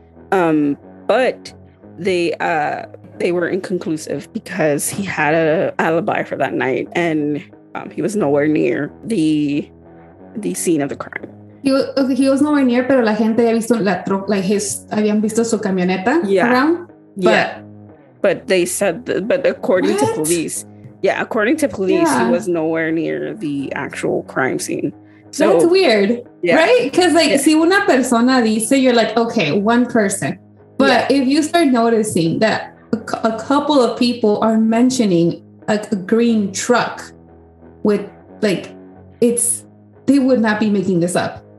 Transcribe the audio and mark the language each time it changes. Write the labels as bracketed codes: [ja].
[en] But they were inconclusive because he had an alibi for that night and he was nowhere near the scene of the crime. He was nowhere near, [es] pero la gente había visto habían visto su camioneta [en] around. Yeah. But they said, according to police, he was nowhere near the actual crime scene. So that's weird, right? Because like, [es] si una persona dice, [en] you're like, okay, one person. But if you start noticing that a couple of people are mentioning a green truck with like, it's, they would not be making this up.